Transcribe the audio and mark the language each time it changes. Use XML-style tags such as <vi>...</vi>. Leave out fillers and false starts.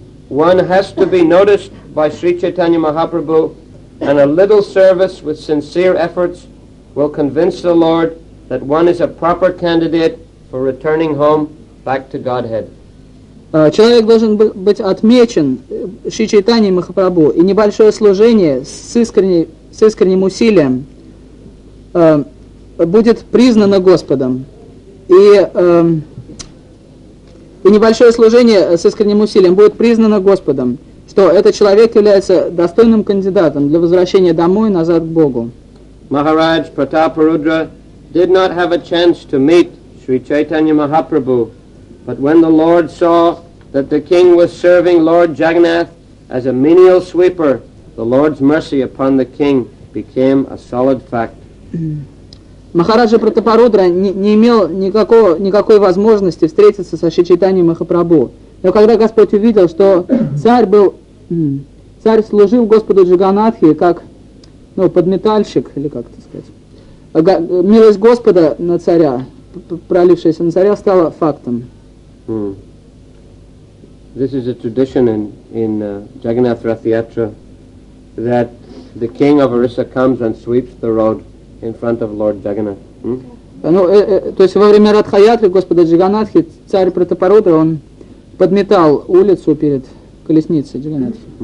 <en>One has to be noticed by Sri Chaitanya Mahaprabhu, and a little service with sincere efforts will convince the Lord that one is a proper candidate for returning home back to Godhead.</en> <ru>Человек должен быть отмечен Шри Чайтаньей Махапрабху, и небольшое служение с искренним усилием будет признано Господом. И небольшое служение с искренним усилием будет признано Господом, что этот человек является достойным кандидатом для возвращения домой назад к Богу.</ru> <en>Махарадж Пратапарудра did not have a chance to meet Sri Chaitanya Mahaprabhu, but when the Lord saw that the king was serving Lord Jagannath as a menial sweeper, the Lord's mercy upon the king became a solid fact.</en> <ru>Махараджа Пратапарудра не имел никакой возможности встретиться со Шри Чайтаньей Махапрабху. Но когда Господь увидел, что царь служил Господу Джаганнатхе как, ну, подметальщик, или как это сказать, милость Господа на царя, пролившаяся на царя, стала фактом.</ru> <en>This is a tradition in Jagannath Rath Yatra that the king of Orissa comes and sweeps the road in front of Lord Jagannath.</en> <ru>То есть во время Радха-ятры Господа Джаганатхи царь Пратапарудра он подметал улицу перед колесницей Джаганатхи.</ru>